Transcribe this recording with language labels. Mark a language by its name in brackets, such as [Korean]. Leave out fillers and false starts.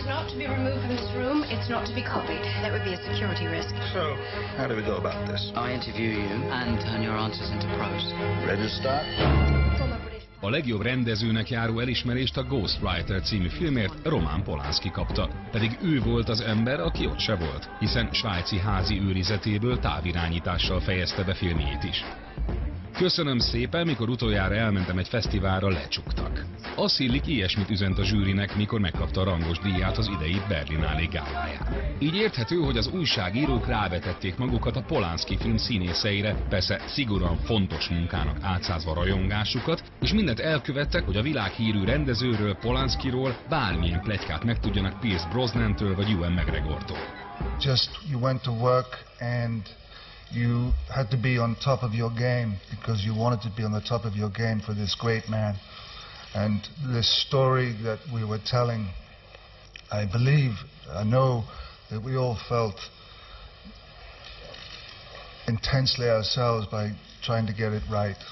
[English] To be removed from this room, it's not to be copied. That would be a security risk. So, how do we go about this? I interview you and turn your answers into prose. Ready to start? [Hungarian] A legjobb rendezőnek járó elismerést a Ghost Writer című filmért Roman Polanski kapta, pedig ő volt az ember, aki ott se volt, hiszen svájci házi őrizetéből távirányítással fejezte be filmjét is. Köszönöm szépen, mikor utoljára elmentem egy fesztiválra, lecsuktak. Azt illik ilyesmit üzent a zsűrinek, mikor megkapta a rangos díját az idei Berlinale gáláján. Így érthető, hogy az újságírók rávetették magukat a Polanski film színészeire, persze szigorúan fontos munkának átszázva rajongásukat, és mindent elkövettek, hogy a világhírű rendezőről, Polanskiról bármilyen pletykát megtudjanak Pierce Brosnan-től vagy Ewan McGregor-tól. [English] Just you went to work and you had to be on top of your game because you wanted to be on the top of your game for this great man. And the story that we were telling, I believe, I know that we all felt intensely ourselves by trying to get it right.